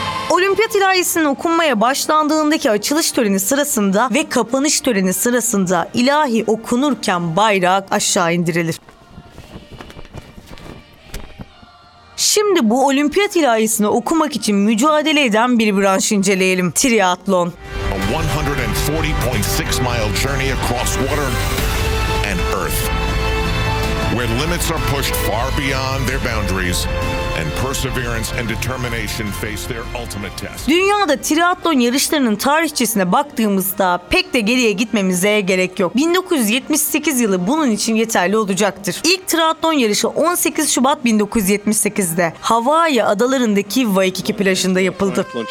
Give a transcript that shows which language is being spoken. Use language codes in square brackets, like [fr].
[tr] Olimpiyat ilahisinin okunmaya başlandığındaki açılış töreni sırasında ve kapanış töreni sırasında ilahi okunurken bayrak aşağı indirilir. Şimdi bu olimpiyat ilahisini okumak için mücadele eden bir branş inceleyelim. Triatlon. [en] A 140.6 mile journey across water and earth. Where limits are pushed far beyond their boundaries and perseverance and determination face their ultimate test. [tr] Dünyada triatlon yarışlarının tarihçesine baktığımızda pek de geriye gitmemize gerek yok. 1978 yılı bunun için yeterli olacaktır. İlk triatlon yarışı 18 Şubat 1978'de Hawaii adalarındaki Waikiki plajında yapıldı.